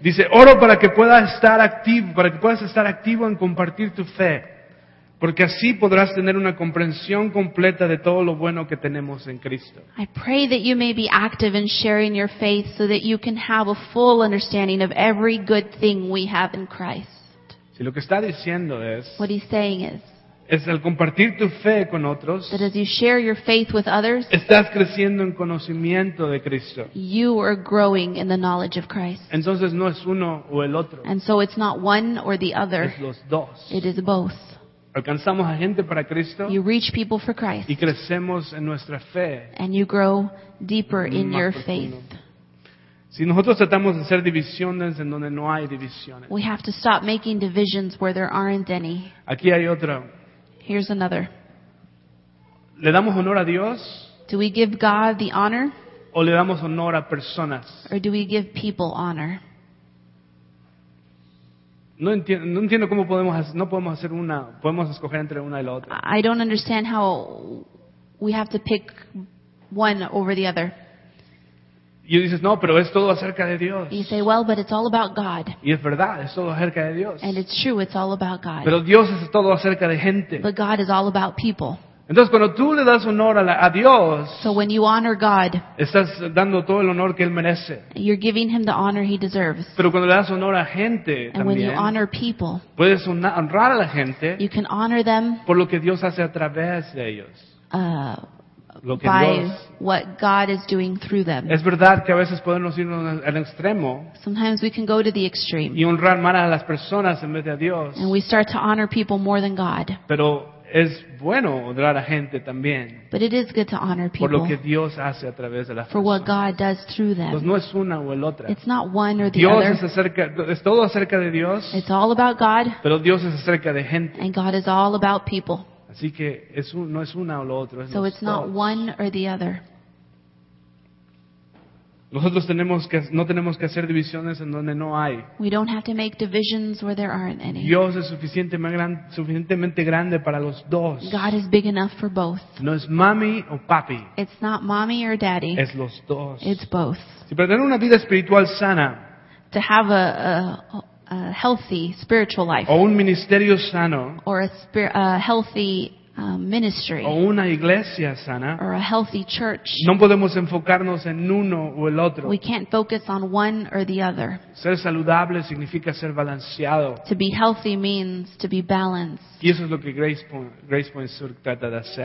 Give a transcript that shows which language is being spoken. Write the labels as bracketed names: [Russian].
[Spanish] Dice, oro para que puedas estar activo, para que puedas estar activo en compartir tu fe, porque así podrás tener una comprensión completa de todo lo bueno que tenemos en Cristo. [English] I pray that you may be active in sharing your faith so that you can have a full understanding of every good thing we have in Christ. [Spanish] Si lo que está diciendo es [English] what he's saying is [Spanish] es el compartir tu fe con otros. [English] That as you share your faith with others, [Spanish] estás creciendo en conocimiento de Cristo. [English] You are growing in the knowledge of Christ. [Spanish] Entonces no es uno o el otro. [English] And so it's not one or the other. [Spanish] Es los dos. [English] It is both. [Spanish] Alcanzamos a gente para Cristo. [English] You reach people for Christ. [Spanish] Y crecemos en nuestra fe. [English] And you grow deeper in your faith. [Spanish] Si nosotros tratamos de hacer divisiones en donde no hay divisiones. [English] We have to stop making divisions where there aren't any. [Spanish] Aquí hay otra. [English] Here's another. [Spanish] ¿Le damos honor a Dios? [English] Do we give God the honor? [Spanish] ¿O le damos honor a personas? [English] Or do we give people honor? [Spanish] No entiendo cómo podemos hacer, no podemos hacer una, podemos escoger entre una y la otra. [English] I don't understand how we have to pick one over the other. [Spanish] Y dices, no, pero es todo acerca de Dios. [English] You say, well, but it's all about God. [Spanish] Y es verdad, es todo acerca de Dios. [English] And it's true, it's all about God. [Spanish] Pero Dios es todo acerca de gente. [English] But God is all about people. [Spanish] Entonces, cuando tú le das honor a Dios, [English] so when you honor God, [Spanish] estás dando todo el honor que Él merece. [English] You're giving Him the honor He deserves. [Spanish] Pero cuando le das honor a gente, [English] and [Spanish] también, [English] when you honor people, [Spanish] puedes honrar a la gente, [English] you can honor them [Spanish] por lo que Dios hace a través de ellos. [English] By what God is doing through them. [Spanish] Es verdad que a veces podemos ir al extremo. [English] Sometimes we can go to the extreme. [Spanish] Y honrar más a las personas en vez de a Dios. [English] And we start to honor people more than God. [Spanish] Pero es bueno honrar a gente también. [English] But it is good to honor people. [Spanish] Por lo que Dios hace a través de las [English] for [Spanish] personas. [English] For what God does through them. [Spanish] Pues no es una o el otra. [English] It's not one or the [Spanish] Dios [English] other. [Spanish] Dios es todo acerca de Dios. [English] It's all about God. [Spanish] Pero Dios es acerca de gente. [English] And God is all about people. [Spanish] Así que es un, no es una o lo otro. Es [English] so it's not one or the other. [Spanish] Nosotros no tenemos que hacer divisiones en donde no hay. [English] We don't have to make divisions where there aren't any. [Spanish] Dios es suficientemente grande para los dos. [English] God is big enough for both. [Spanish] No es mami o papi. [English] It's not mommy or daddy. [Spanish] Es los dos. [English] It's both. [Spanish] Si para tener una vida espiritual sana. [English] To have a healthy spiritual life, [Spanish] o un ministerio sano, [English] or a healthy ministry, [Spanish] o una iglesia sana, [English] or a healthy church. [Spanish] No podemos enfocarnos en uno o el otro. [English] We can't focus on one or the other. [Spanish] Ser saludable significa ser balanceado. [English] To be healthy means to be balanced. [Spanish] Y eso es lo que Grace Point Sur trata de hacer.